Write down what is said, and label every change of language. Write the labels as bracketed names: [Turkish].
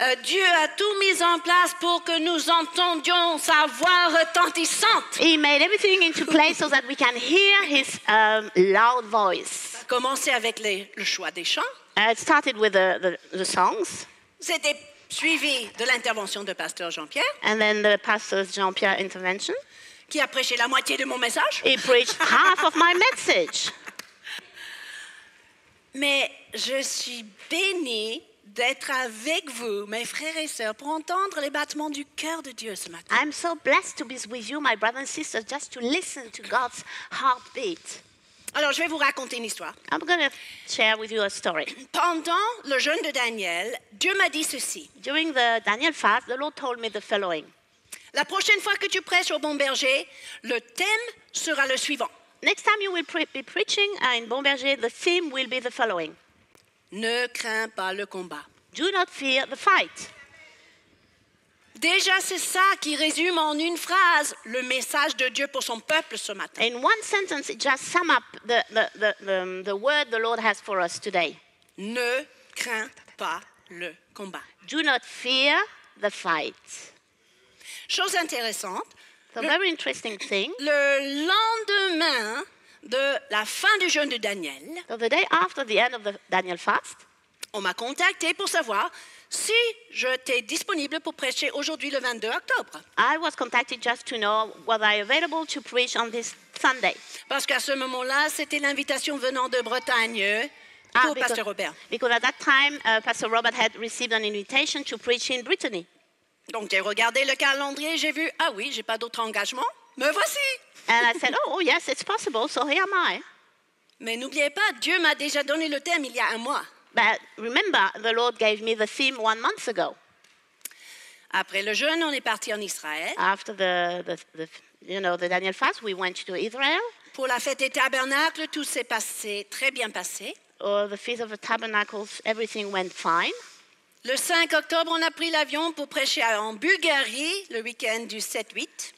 [French] Dieu a tout mis en place pour que nous entendions sa voix retentissante. [English] He made everything into place so that we can hear his loud voice. [French] Ça a commencé avec le choix des chants. [English] It started with the songs. [French] C'était suivi de l'intervention de Pasteur Jean-Pierre. [English] And then the Pastor Jean-Pierre intervention. [French] Qui a prêché la moitié de mon message. [English] He preached half of my message. [French] Mais je suis bénie d'être avec vous, mes frères et sœurs, pour entendre les battements du cœur de Dieu ce matin. [English] I'm so blessed to be with you, my brothers and sisters, just to listen to God's heartbeat. [French] Alors, je vais vous raconter une histoire. [English] I'm going to share with you a story. [French] Pendant le jeûne de Daniel, Dieu m'a dit ceci. [English] During the Daniel fast, the Lord told me the following. [French] La prochaine fois que tu prêches au Bon Berger, le thème sera le suivant. [English] Next time you will be preaching in Bon Berger, the theme will be the following. [French] Ne crains pas le combat. [English] Do not fear the fight. [French] Déjà, c'est ça qui résume en une phrase le message de Dieu pour son peuple ce matin. [English] In one sentence, it just sums up the word the Lord has for us today. [French] Ne crains pas le combat. [English] Do not fear the fight. [French] Chose intéressante. [English] So very interesting thing. [French] Le lendemain de la fin du jeûne de Daniel. [English] So the day after the end of the Daniel fast. [French] On m'a contacté pour savoir si j'étais disponible pour prêcher aujourd'hui le 22 octobre. [English] I was contacted just to know whether I available to preach on this Sunday. [French] Parce qu'à ce moment-là, c'était l'invitation venant de Bretagne. Pour Pasteur Robert. [English] Because at that time, Pastor Robert had received an invitation to preach in Brittany. [French] Donc j'ai regardé le calendrier, j'ai vu, ah oui, j'ai pas d'autre engagement, me voici. [English] And I said, oh yes, it's possible, so here am I. [French] Mais n'oubliez pas, Dieu m'a déjà donné le thème il y a un mois. [English] But remember, the Lord gave me the theme 1 month ago. [French] Après le jeûne, on est parti en Israël. [English] After the Daniel fast, we went to Israel. [French] Pour la fête des tabernacles, tout s'est passé, très bien passé. [English] Or the feast of the tabernacles, everything went fine. [French] Le 5 octobre, on a pris l'avion pour prêcher en Bulgarie le week-end du 7-8.